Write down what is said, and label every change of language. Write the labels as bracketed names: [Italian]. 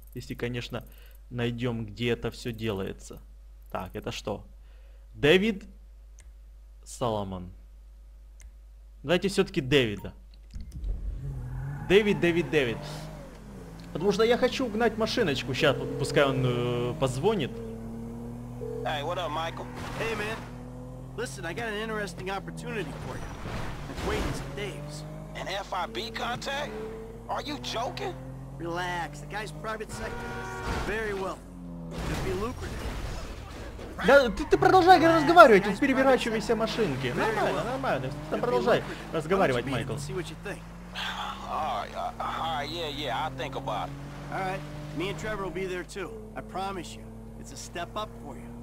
[Russian] Если, конечно, найдем, где это все делается. Так, это что? Дэвид Соломон. Давайте все-таки Дэвида. Дэвид. Потому что я хочу угнать машиночку. Сейчас, вот, пускай он позвонит. [English] Hey, what up, Michael? Hey, man. Listen, I got an interesting opportunity for you. It's waiting for Dave's. An FIB contact? Are you joking? Relax, the guy's private sector. Very well. Could be lucrative. [Russian] Да, ты продолжай разговаривать, он переворачивается машинки. Нормально. Ты продолжай разговаривать, Майкл. [English] Yeah, I think about it. All right, me and Trevor will be there too. I promise you, it's a step up for you.